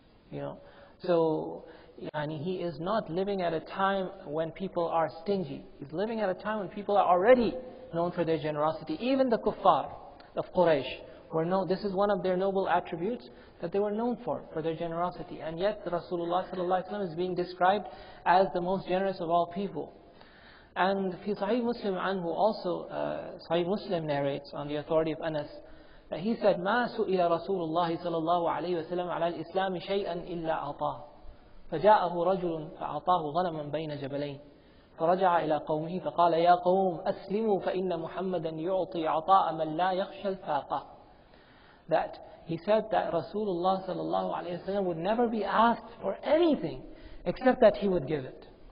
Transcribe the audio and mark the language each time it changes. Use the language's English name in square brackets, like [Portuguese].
[English] You know, so yani he is not living at a time when people are stingy. He's living at a time when people are already known for their generosity. Even the kuffar of Quraysh, this is one of their noble attributes that they were known for their generosity. And yet Rasulullah sallallahu alaihi wasallam is being described as the most generous of all people. And fi Sahih Muslim anhu also, Sahih Muslim narrates on the authority of Anas, that he said, [Arabic] مَا سُئِلَ رَسُولُ اللَّهِ صَلَى اللَّهُ عَلَيْهِ وَسَلَمْ عَلَى الْإِسْلَامِ شَيْئًا إِلَّا أَعْطَاهُ فجاءه رجل فأعطاه غنما بين جبلين فرجع إلى قومه فقال يا قوم أسلموا فإن محمدا يعطي عطاء من لا يخشى الفاقة. [English] That he said that Rasulullah sallallahu alayhi wa sallam would never be asked for anything except that he would give it.